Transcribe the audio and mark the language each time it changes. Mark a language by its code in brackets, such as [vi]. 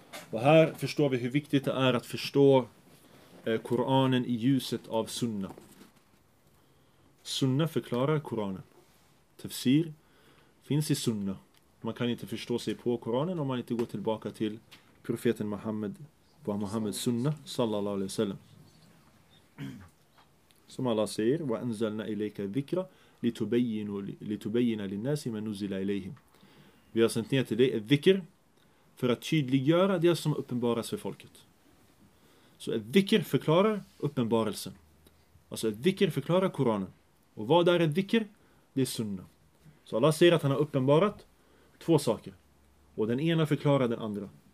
[sv] Och här förstår vi hur viktigt det är att förstå Koranen i ljuset av sunna. Sunna förklarar Koranen. Tafsir finns i sunna. Man kan inte förstå sig på Koranen om man inte går tillbaka till profeten Muhammed, wa Muhammed sunna, sallallahu alaihi wasallam. Som Allah säger, [ar] وَأَنْزَلْنَا إِلَيْكَ الذِّكْرَ لِتُبَيِّنَ لِلنَّاسِ مَا نُزِلَ إِلَيْهِمْ. [sv] Vi har sänt ner till dig ett dhikr för att tydliggöra det som uppenbaras för folket. Så ett dhikr förklarar uppenbarelsen. Alltså ett dhikr förklarar Koranen. Och vad är ett dhikr? Det är sunna. Så Allah säger att han har uppenbarat två saker. Och den ena förklarar den andra.